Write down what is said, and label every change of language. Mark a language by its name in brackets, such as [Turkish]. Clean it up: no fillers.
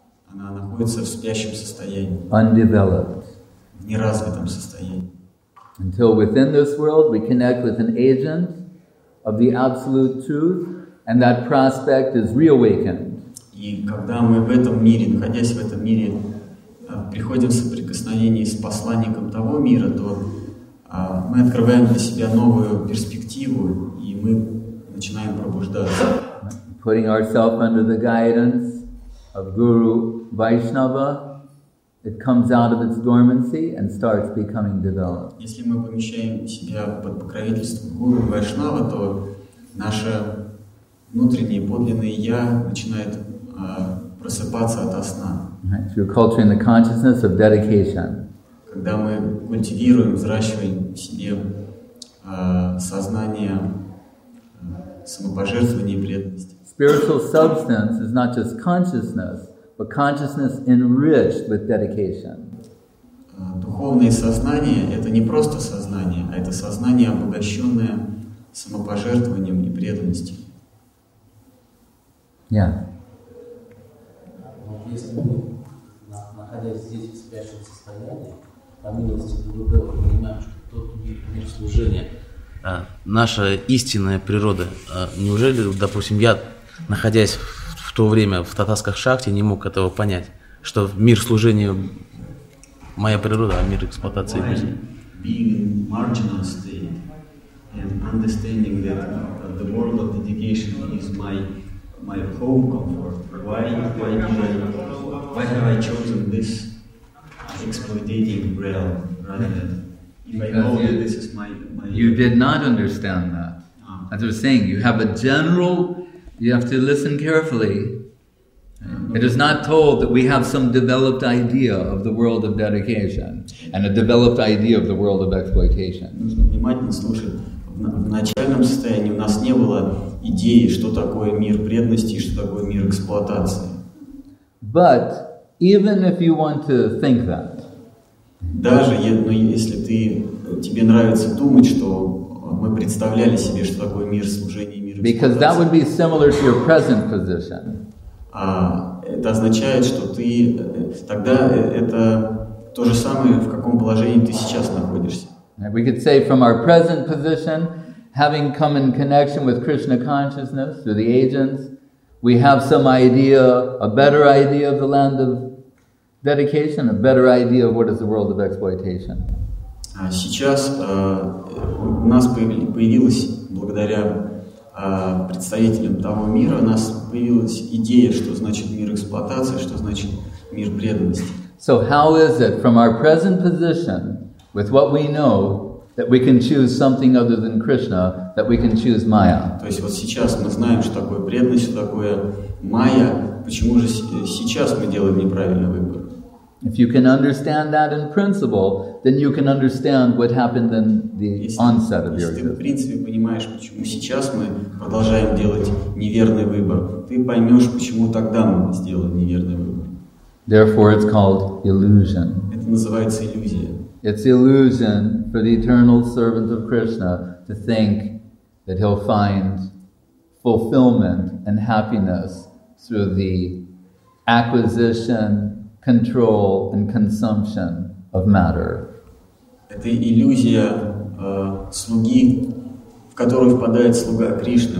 [Russian] Она находится в спящем состоянии. [English] Undeveloped. [Russian] В неразвитом состоянии. [English] Until within this world we connect with an agent of the absolute truth, and that prospect is reawakened. [Russian] И когда мы в этом мире, находясь в этом мире, приходим в соприкосновение с посланником того мира, то мы открываем для себя новую перспективу, и мы начинаем пробуждаться. [English] Putting ourselves under the guidance of Guru Vaishnava, it comes out of its dormancy and starts becoming developed. [Russian] Если мы помещаем себя под покровительство Гуру Вайшнава, то наше внутреннее подлинное Я начинает просыпаться ото сна. [English] Right, through cultivating the consciousness of dedication. [Russian] Когда мы культивируем, взращиваем в себе сознание самопожертвования и преданности. [English] Spiritual substance is not just consciousness, but consciousness enriched with dedication. [Russian] Духовное сознание — это не просто сознание, а это сознание, обогащенное самопожертвованием и преданностью. [English] Yeah. [Russian] Если мы находясь здесь в спящем состоянии, по милости Будды, мы понимаем, что тот мир служения, наша истинная природа, неужели, допустим, я, находясь в то время в татарской шахте, не мог этого понять, что мир служения – моя природа, а мир эксплуатации – жизнь? [English] Being in marginal state and understanding that the world of dedication is my home comfort, why have I chosen this exploiting realm rather than You did not understand that. As I was saying, you have a general, you have to listen carefully. It is not told that we have some developed idea of the world of dedication and a developed idea of the world of exploitation. [Russian] В начальном состоянии у нас не было идеи, что такое мир преданности и что такое мир эксплуатации. [English] But even if you want to think that, [Russian] даже если тебе нравится думать, что мы представляли себе, что такое мир служения и мир [English] Because that would be similar to your present position. [Russian] Это означает, что ты тогда это то же самое, в каком положении ты сейчас находишься. [English] We could say from our present position, having come in connection with Krishna consciousness through the agents, we have some idea, a better idea of the land of dedication, a better idea of what is the world of exploitation. [Russian] Сейчас у нас появилась, благодаря представителям того мира, у нас появилась идея, что значит мир эксплуатации, что значит мир преданности. [English] So how is it from our present position, with what we know, that we can choose something other than Krishna, that we can choose Maya? [Russian] То есть вот сейчас мы знаем, что такое преданность, что такое Maya. Почему же сейчас мы делаем неправильный выбор? [English] If you can understand that in principle, then you can understand what happened in the onset of your existence. [Russian] Если ты в принципе понимаешь, почему сейчас мы продолжаем делать неверный выбор, ты поймешь, почему тогда мы сделали неверный выбор. [English] Therefore, it's called illusion. [Russian] Это называется иллюзия. [English] It's illusion for the eternal servant of Krishna to think that he'll find fulfillment and happiness through the acquisition, control and consumption of matter. [Russian] Это иллюзия слуги, в которую впадает слуга Кришны.